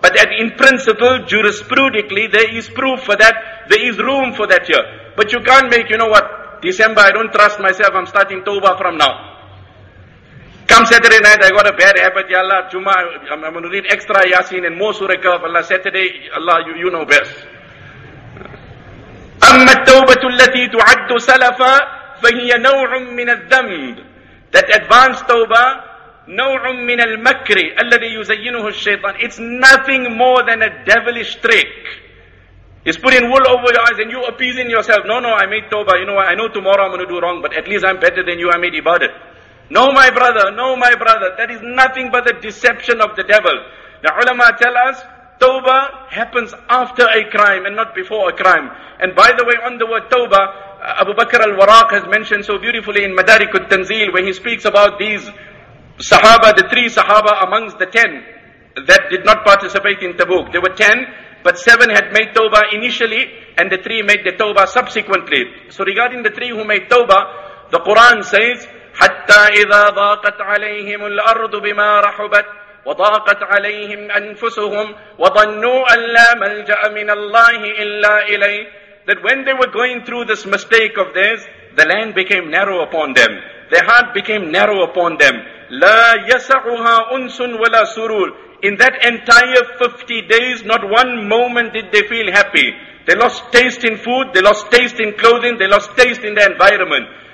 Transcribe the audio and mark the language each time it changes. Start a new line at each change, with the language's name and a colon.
English: But that in principle, jurisprudically, there is proof for that. There is room for that year. But you can't make, you know what, December, I don't trust myself, I'm starting tawbah from now. Come Saturday night, I got a bad habit, Ya Allah, Jummah, I'm going to read extra Yasin and more Surah Kahf. Allah, Saturday, Allah, you know best.
Arabic: أما التوبة التي تعد سلفا فهي نوع من الذنب.
English: That advanced tawbah,
Arabic: نوع من المكر الذي يزينه الشيطان.
English: It's nothing more than a devilish trick. It's putting wool over your eyes and you appeasing yourself. No, I made tawbah. You know what? I know tomorrow I'm going to do wrong, but at least I'm better than you. I made ibadah. No, my brother. That is nothing but the deception of the devil. The ulama tell us, tawbah happens after a crime and not before a crime. And by the way, on the word tawbah, Abu Bakr al-Waraq has mentioned so beautifully in Madarik al-Tanzeel, when he speaks about these sahaba, the three sahaba amongst the 10 that did not participate in Tabuk. There were 10, but 7 had made tawbah initially, and the 3 made the tawbah subsequently. So regarding the 3 who made tawbah, the Quran says,
Arabic: حَتَّى إِذَا ضَاقَتْ عَلَيْهِمُ الْأَرْضُ بِمَا رَحُبَتْ وَضَاقَتْ عَلَيْهِمْ أَنفُسُهُمْ وَظَنُّوا أَن لَّا مَلْجَأَ مِنَ اللَّهِ إِلَّا إِلَيْهِ.
English: That when they were going through this mistake of theirs, the land became narrow upon them. Their heart became narrow upon them.
Arabic: لَا يَسَعُهَا أُنْسٌ وَلَا سُرُورٌ.
English: In that entire 50 days, not one moment did they feel happy. They lost taste in food, they lost taste in clothing, they lost taste in their environment.